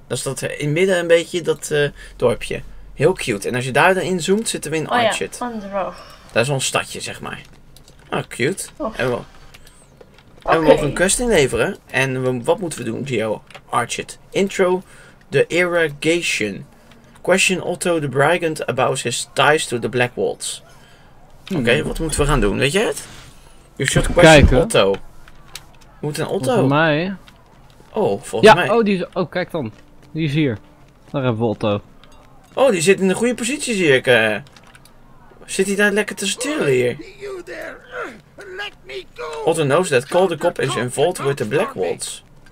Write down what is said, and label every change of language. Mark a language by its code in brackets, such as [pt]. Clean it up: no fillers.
[nl] Dat is dat in het midden een beetje, dat dorpje. Heel cute. En als je daar dan inzoomt, zitten we in Archet. Ja, dat is ons stadje, zeg maar. Oh, cute. Oh. En we mogen een quest inleveren. En wat moeten we doen, Gio? [en] Archet. Intro, the irrigation. Question Otto the Brigand about his ties to the Black Walls. [nl] Oké, wat moeten we gaan doen? Weet je het? Je zult kijken. Otto. Moet een Otto? Volgens mij. Oh, volgens ja, mij. Ja, oh, die is. Oh, kijk dan. Die is hier. Daar hebben we Otto. Oh, die zit in de goede positie, zie ik. Zit hij daar lekker te sturen hier? [en] Otto knows that Call the Cop is involved with the Blackwoods.